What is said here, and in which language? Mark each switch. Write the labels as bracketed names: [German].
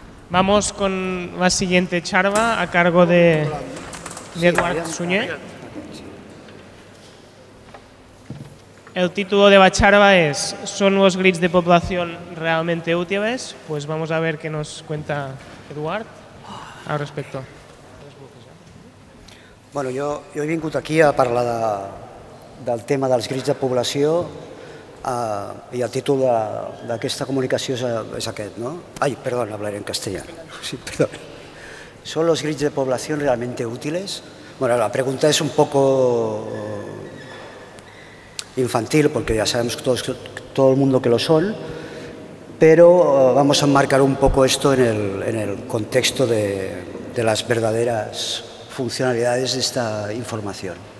[Spanish] Vamos con la siguiente charla a cargo de Eduard Suñé. El título de la charla es ¿Son los grids de población realmente útiles? Pues vamos a ver qué nos cuenta Eduard al respecto. [Catalan] Bueno, yo he vingut aquí a parlar del tema dels grids de població i el títol d'aquesta comunicació és aquest, no? [Spanish] Ai, perdona, hablaré en castellà. Sí, perdona. ¿Son los grids de población realmente útiles? Bueno, la pregunta es un poco infantil, porque ya sabemos todo el mundo que lo son, pero vamos a enmarcar un poco esto en el contexto de las verdaderas funcionalidades de esta información.